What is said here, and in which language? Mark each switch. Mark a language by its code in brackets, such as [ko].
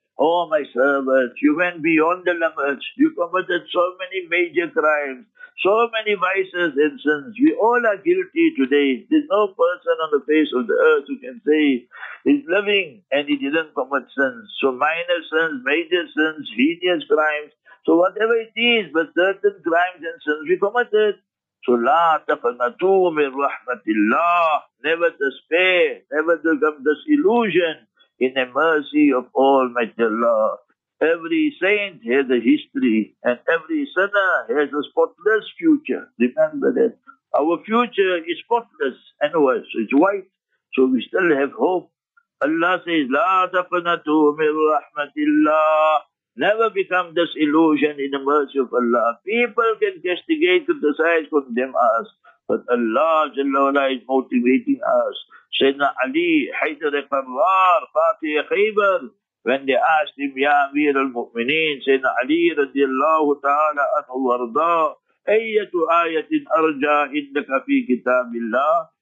[en] Oh my servants, you went beyond the limits. You committed so many major crimes, so many vices and sins. We all are guilty today. There's no person on the face of the earth who can say he's living and he didn't commit sins. So minor sins, major sins, heinous crimes. So whatever it is, but certain crimes and sins we committed. [ar] So لا تقنطوا من رحمة الله. [en] Never despair, never become disillusioned in the mercy of Almighty Allah. Every saint has a history, and every sinner has a spotless future. Remember that. Our future is spotless, and worse, it's white. So we still have hope. [ar] Allah says, لا تقنطوا من رحمة الله. [en] Never become disillusioned in the mercy of Allah. People can castigate, criticize, condemn us. But Allah Jalla Wala is motivating us. Sayyidina Ali, Haydar al-Qarrar, Fatih Khaybar, when they asked him, Ya Amir al-Mu'mineen, Sayyidina Ali radiallahu ta'ala anhu warda, [ar] Ayyatu ayatin arja indaka fi kitabillah.